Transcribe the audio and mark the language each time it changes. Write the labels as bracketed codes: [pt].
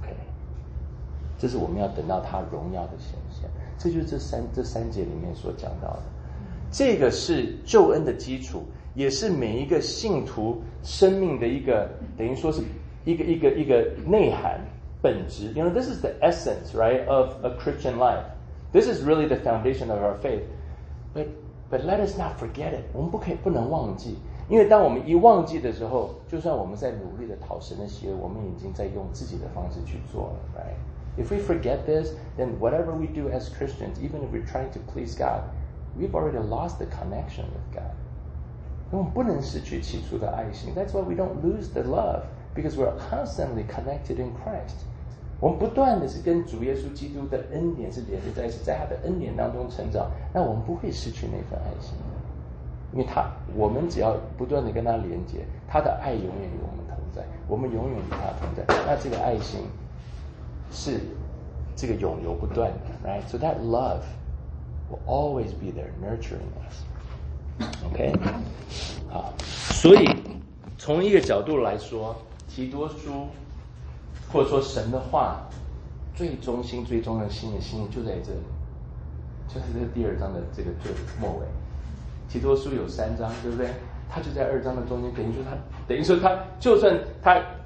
[zh] OK， 这是我们要等到他荣耀的显现。这就是这三节里面所讲到的，这个是救恩的基础，也是每一个信徒生命的一个，等于说是一个内涵本质。 [en] You know, this is the essence, right, of a Christian life. This is really the foundation of our faith. But let us not forget it. [zh] 我们不能忘记，因为当我们一忘记的时候，就算我们在努力的讨神的喜悦，我们已经在用自己的方式去做了 ，right? [en] If we forget this, then whatever we do as Christians, even if we're trying to please God, we've already lost the connection with God. [zh] 我们不能失去起初的爱心。 [en] That's why we don't lose the love, because we're constantly connected in Christ. [zh] 我们不断的是跟主耶稣基督的恩典是连接在一起，在他的恩典当中成长，那我们不会失去那份爱心。因为我们只要不断的跟他连接，他的爱永远与我们同在，我们永远与他同在，那这个爱心是这个永流不断的 ，right? [en] So that love will always be there, nurturing us. [zh] OK, 好，所以从一个角度来说，提多书或者说神的话，最中心、最重要的心意就在这里，就是这第二章的这个最末尾。提多书有三章，对不对？它就在二章的中间，等于说它就算它。